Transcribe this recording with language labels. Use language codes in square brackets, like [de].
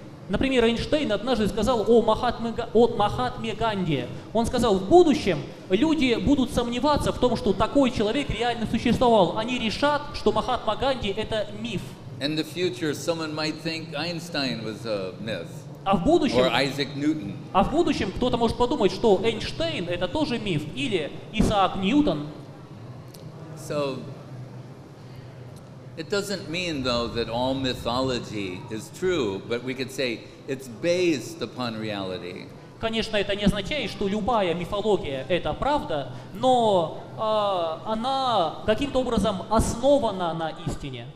[ru] Например, Эйнштейн однажды сказал о Махатме Ганди. Он сказал, в будущем люди будут сомневаться в том, что такой человек реально существовал. Они решат, что Махатма Ганди – это миф. [en] In the future, someone might think Einstein was a myth. [ru] А в будущем, [en] or Isaac Newton. [ru] А в будущем кто-то может подумать, что Эйнштейн – это тоже миф. Или Исаак Ньютон. [en] So, it doesn't mean, though, that all mythology is true, but we could say it's based upon reality. [ru] Конечно, это не означает, что любая мифология – это правда, но она каким-то образом основана на истине.